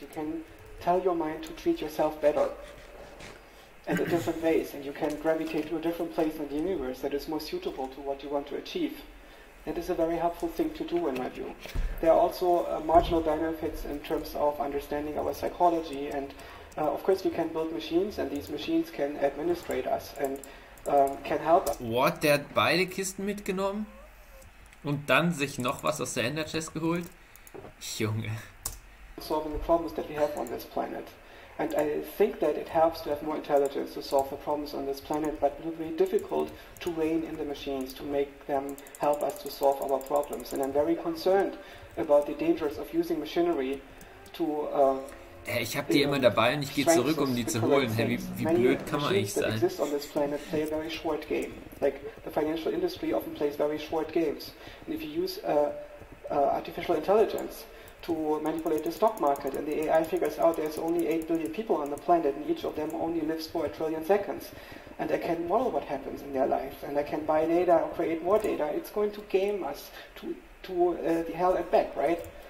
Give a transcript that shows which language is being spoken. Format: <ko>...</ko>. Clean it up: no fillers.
<en>You can tell your mind to treat yourself better in a different ways, and you can gravitate to a different place in the universe that is more suitable to what you want to achieve. That is a very helpful thing to do, in my view. There are also marginal benefits in terms of understanding our psychology, and of course we can build machines, and these machines can administrate us and can help us.</en> <de>What? Der hat beide Kisten mitgenommen? Und dann sich noch was aus der Ender-Chest geholt? Junge.</de> <en>Solving the problems that we have on this planet. And I think that it helps to have more intelligence to solve the problems on this planet, but it will be difficult to rein in the machines to make them help us to solve our problems. And I'm very concerned about the dangers of using machinery to...</en> <de>ich habe die immer dabei und ich gehe zurück, um die zu holen. Hey, wie blöd kann man eigentlich sein?</de> <en>Many machines that exist on this planet play a very short game. Like, the financial industry often plays very short games. And if you use artificial intelligence to manipulate the stock market, and the AI figures out there's only 8 billion people on the planet, and each of them only lives for a trillion seconds, and I can model what happens in their life, and I can buy data or create more data, it's going to game us to the hell and back, right?</en>